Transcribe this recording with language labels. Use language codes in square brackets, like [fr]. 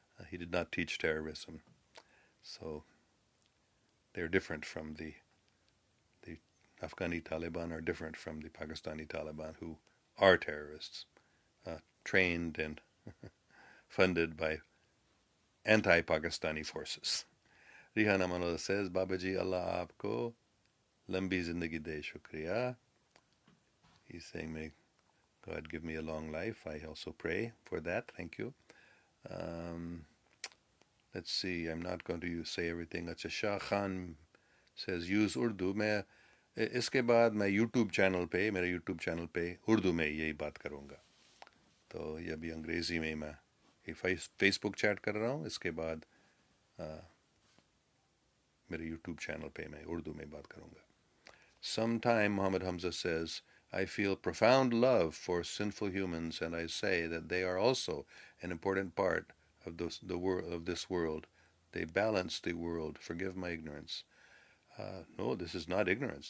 [en] He did not teach terrorism. So they're different from the Afghani Taliban are different from the Pakistani Taliban, who are terrorists, trained and funded by anti-Pakistani forces. [ur] Rihana Manola says, بابا جی، اللہ آپکو لمبی زندگی دے شکریہ۔ [en] He's saying, may God give me a long life. I also pray for that. Thank you. Let's see. I'm not going to say everything. اچھا Shah Khan says, use Urdu. [ur] اسکے بعد میں YouTube channel پے، میرا YouTube channel پے، اردو میں یہی بات کرونگا۔ تو یے بھی انگریزی میں میں Facebook chat کر رہا ہوں۔ اسکے بعد میرا YouTube channel پے میں اردو میں بات کرونگا۔ [en] Sometime, Muhammad Hamza says, I feel profound love for sinful humans and I say that they are also an important part of the world, of this world. They balance the world. Forgive my ignorance. No, this is not ignorance.